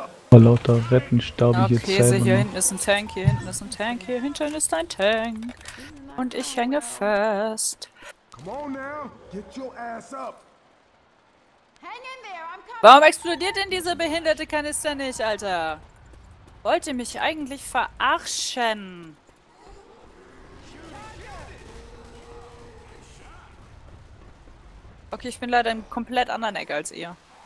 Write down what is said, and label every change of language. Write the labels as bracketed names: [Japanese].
[German] Oh, lauter Retten staub ich jetzt selber. Okay, hier hinten ist ein Tank, hier hinten ist ein Tank, hier hinten ist ein Tank. Und ich hänge fest. [English] Come on now, get your ass up. [German] Warum explodiert denn diese behinderte Kanister nicht, Alter? Wollt ihr mich eigentlich verarschen? Okay, ich bin leider im komplett anderen Eck als ihr.